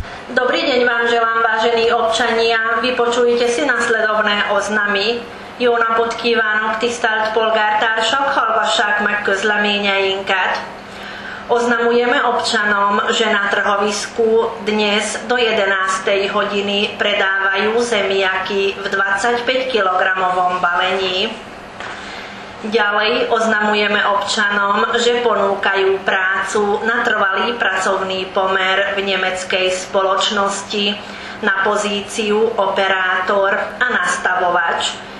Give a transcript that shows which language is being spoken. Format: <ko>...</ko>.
<sk>Dobrý deň vám želám, vážení občania. Vypočujte si nasledovné oznamy.</sk> <hu>Jó napot kívánok, tisztelt polgártársak, hallgassák meg közleményeinket.</hu> <sk>Oznamujeme občanom, že na trhovisku dnes do 11. hodiny predávajú zemiaky v 25-kilogramovom balení. Ďalej oznamujeme občanom, že ponúkajú prácu na trvalý pracovný pomer v nemeckej spoločnosti na pozíciu operátor a nastavovač.</sk>